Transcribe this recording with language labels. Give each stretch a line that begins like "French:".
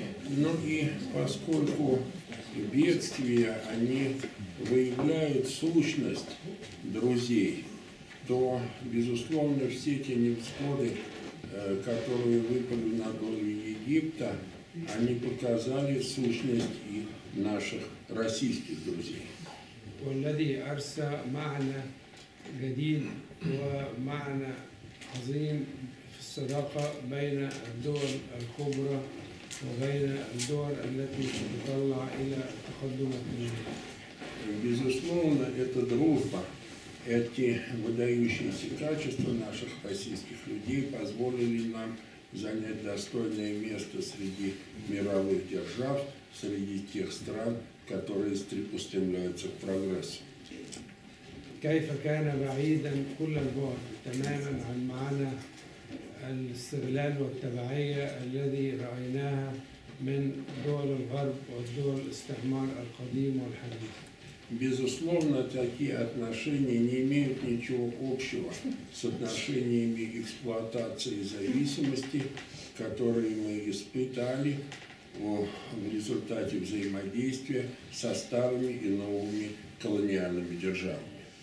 Russian: Ну и поскольку бедствия, они выявляют сущность друзей, то, безусловно, все те невзгоды, которые выпали на долю Египта, они показали сущность и наших российских друзей.
Arabic: والذي أرسى معنى جديد ومعنى عظيم الصداقة بين الدول الكبرى وبين الدول التي تطلع إلى تقدم التنمية.
Russian: Безусловно, эта дружба, эти выдающиеся качества наших российских людей позволили нам занять достойное место среди мировых держав, среди тех стран, которые стремляются к прогрессу.
Arabic: كيف كان بعيدا كل البعد تماما عن معنى الاستغلال والتبعية الذي رأيناها من دول الغرب ودول الاستعمار القديم والحديث.
Russian: Безусловно, такие отношения не имеют ничего общего с отношениями эксплуатации и зависимости, которые мы испытали в результате взаимодействия со старыми и новыми колониальными державами.